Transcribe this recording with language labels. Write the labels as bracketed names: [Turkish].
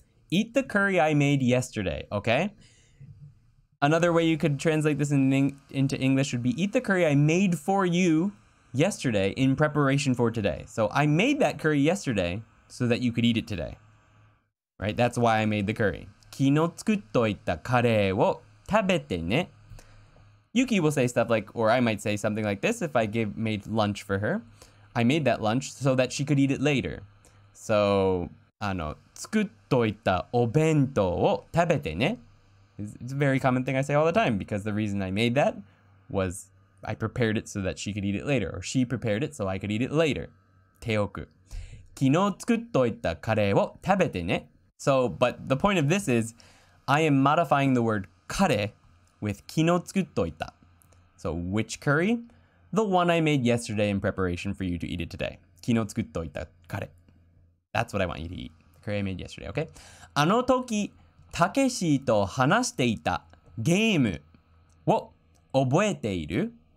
[English] Eat the curry I made yesterday, okay? Another way you could translate this into English would be eat the curry I made for you yesterday in preparation for today. So I made that curry yesterday so that you could eat it today. Right? That's why I made the curry. [Japanese] 昨日作っといたカレーを食べてね。 [English] Yuki will say stuff like, or I might say something like this if I made lunch for her. I made that lunch so that she could eat it later. [Japanese] So, あの、作っといたお弁当を食べてね。 [English] It's a very common thing I say all the time, because the reason I made that was I prepared it so that she could eat it later, or she prepared it so I could eat it later. [Japanese] 手置く。昨日作っといたカレーを食べてね。 [English] So, but the point of this is, I am modifying the word カレー with [Japanese] 昨日作っといた. [English] So, which curry? The one I made yesterday in preparation for you to eat it today. [Japanese] 昨日作っといたカレー. [English] That's what I want you to eat. I made yesterday, okay? [Japanese] あの時、たけしと話していたゲームを覚えている?